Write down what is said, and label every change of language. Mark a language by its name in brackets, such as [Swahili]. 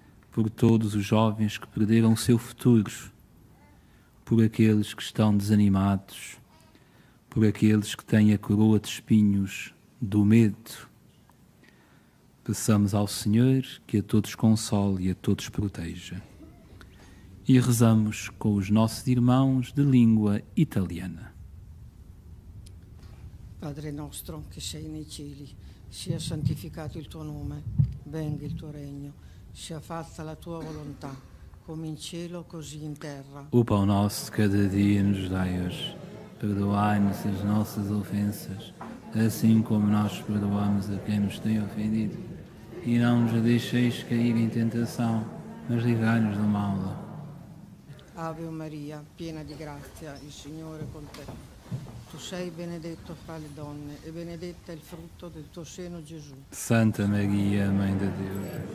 [Portuguese] por todos os jovens que perderam o seu futuro, por aqueles que estão desanimados, por aqueles que têm a coroa de espinhos do medo. Peçamos ao Senhor que a todos console e a todos proteja. E rezamos com os nossos irmãos de língua italiana. [Italian] Padre nostro che sei nei cieli, sia santificato il tuo nome, venga il tuo regno, sia fatta la tua volontà, come in cielo così in terra. [Portuguese] O pão nosso cada dia nos dai hoje, perdoai-nos as nossas ofensas, assim como nós perdoamos a quem nos tem ofendido. E não nos deixeis cair em tentação, mas livrai-nos do mal. [Italian] Ave Maria, piena di grazia, il Signore è con te. Tu sei benedetta fra le donne e benedetto è il frutto del tuo seno, Gesù. [Portuguese] Santa Maria, Mãe de Deus.